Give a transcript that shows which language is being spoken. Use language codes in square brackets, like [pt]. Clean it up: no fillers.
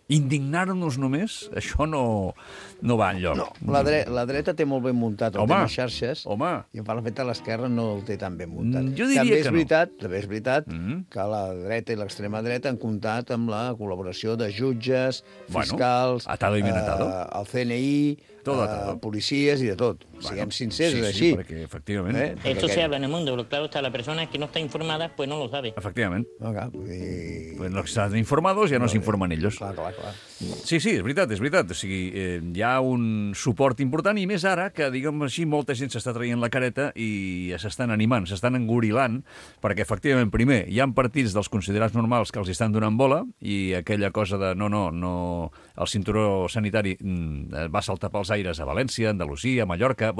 [ca] Indignar-nos només, això no va enlloc. No, la dreta té molt ben muntat, home, el tema xarxes, home. I per la feta l'esquerra no el té tan ben muntat. Jo diria també és que no. Veritat, també és veritat que la dreta i l'extrema dreta han comptat amb la col·laboració de jutges, fiscals, [es] bueno, atado y bien atado. El CNI... policías y de todo. Sigamos sinceros, sí, así. Sí, porque efectivamente... ¿Eh? Esto se habla en el mundo, pero claro, está la persona que no está informada, pues no lo sabe. Efectivamente. Okay. Pues los que están informados ya no se informan ellos. Claro. Sí, sí, es verdad. [ca] O sigui, hi ha un suport important, i més ara, que, diguem així, molta gent s'està traient la careta i s'estan animant, s'estan engorilant, perquè, efectivament, primer, hi ha partits dels considerats normals que els estan donant bola, i aquella cosa de no, el cinturó sanitari va saltar pel aires a València, Andalusia, Mallorca...